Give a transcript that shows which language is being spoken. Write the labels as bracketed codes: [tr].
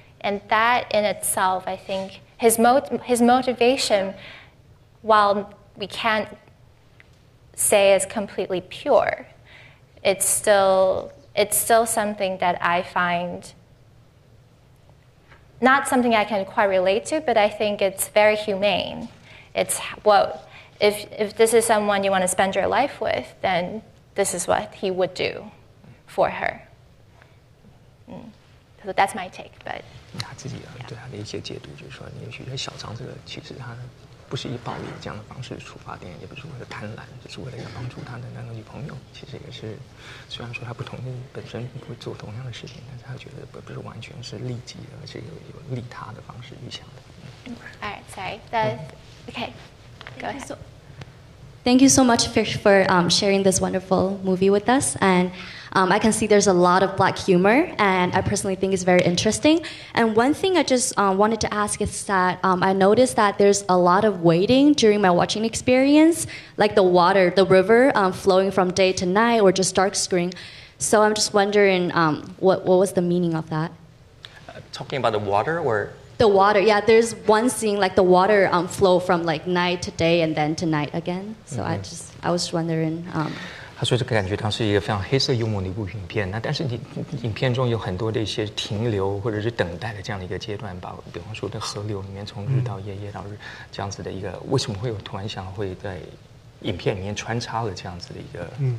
[en] And that in itself, I think his motivation, while we can't say is completely pure, it's still something that I find not something I can quite relate to, but I think it's very humane. It's, well, if this is someone you want to spend your life with, then this is what he would do. For her. So that's my take, but... [zh] 他自己对他的一些解读就是说也许小张这个其实他不是以暴力这样的方式出发点也不是为了贪婪只是为了要帮助他的那个女朋友其实也是虽然说他不同意本身不会做同样的事情但是他觉得不是完全是利己而是有利他的方式去想的 [en] Alright, sorry. Okay, go ahead. Thank you so much for sharing this wonderful movie with us. And I can see there's a lot of black humor, and I personally think it's very interesting. And one thing I just wanted to ask is that I noticed that there's a lot of waiting during my watching experience, like the water, the river flowing from day to night or just dark screen. So I'm just wondering what was the meaning of that? Talking about the water or... The water, yeah, there's one scene, like the water flow from like night to day and then to night again. So mm-hmm. I was wondering. [zh] 他说这个感觉它是一个非常黑色幽默的一部影片。那但是你影片中有很多的一些停留或者是等待的这样的一个阶段吧。比方说在河流里面从日到夜，夜到日这样子的一个，为什么会有突然想会在影片里面穿插了这样子的一个？